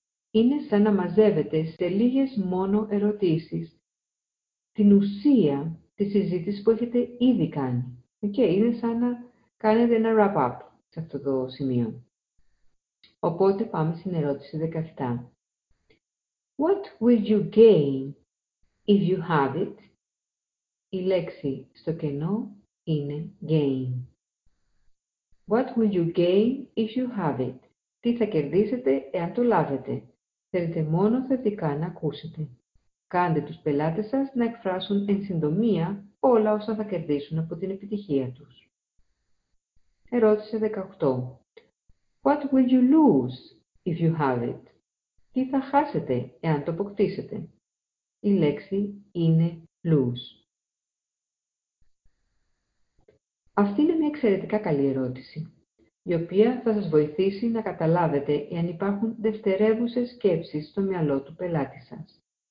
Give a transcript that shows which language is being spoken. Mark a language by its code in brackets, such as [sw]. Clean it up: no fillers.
[el] Είναι σαν να μαζεύετε σε λίγες μόνο ερωτήσεις την ουσία της συζήτησης που έχετε ήδη κάνει. Okay, είναι σαν να κάνετε ένα wrap-up σε αυτό το σημείο. Οπότε πάμε στην ερώτηση 17. [en] What will you gain if you have it? [el] Η λέξη στο κενό είναι gain. [en] What will you gain if you have it? [el] Τι θα κερδίσετε εάν το λάβετε? Θέλετε μόνο θετικά να ακούσετε. Κάντε τους πελάτες σας να εκφράσουν εν συντομία όλα όσα θα κερδίσουν από την επιτυχία τους. Ερώτηση 18. [en] What will you lose if you have it? [el] Τι θα χάσετε εάν το αποκτήσετε? Η λέξη είναι lose. Αυτή είναι μια εξαιρετικά καλή ερώτηση, η οποία θα σας βοηθήσει να καταλάβετε εάν υπάρχουν δευτερεύουσες σκέψεις στο μυαλό του πελάτη σας.